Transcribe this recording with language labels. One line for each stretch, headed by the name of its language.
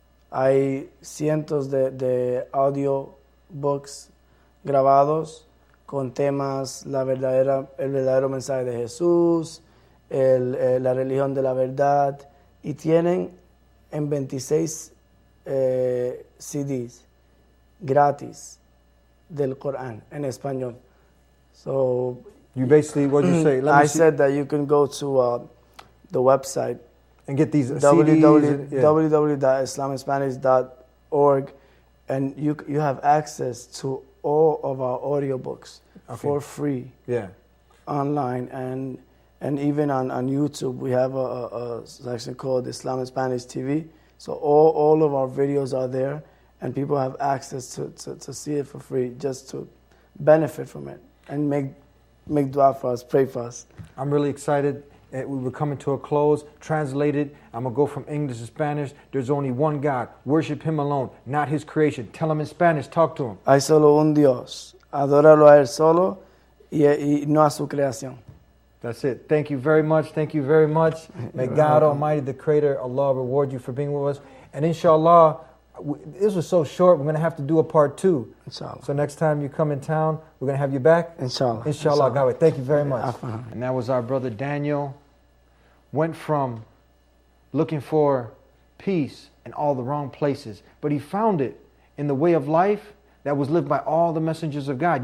Spanish: Hay cientos de audiobooks grabados con temas, el verdadero mensaje de Jesús, la religión de la verdad, y tienen en 26 CDs gratis del Corán en español.
English: So you basically, what you say? Let me see. Said that you can go to the website and get these www.islaminspanish.org, and you have access to all of our audiobooks for free. Yeah, online and even on YouTube, we have a section called Islam and Spanish TV. So all of our videos are there, and people have access to see it for free, just to benefit from it and make dua for us, pray for us. I'm really excited. We were coming to a close. Translated, I'm going to go from English to Spanish. There's only one God. Worship Him alone, not His creation. Tell Him in Spanish. Talk to Him.
Spanish: Hay solo un Dios. Adóralo a Él solo y no a su creación.
English: That's it. Thank you very much. Thank you very much. May God Almighty, the Creator, Allah, reward you for being with us. And inshallah, this was so short, we're going to have to do a part two.
Arabic: Inshallah.
English: So next time you come in town, we're going to have you back.
Arabic: Inshallah.
English: Inshallah. Inshallah. Thank you very much. And that was our brother Daniel. Went from looking for peace in all the wrong places, but he found it in the way of life that was lived by all the messengers of God.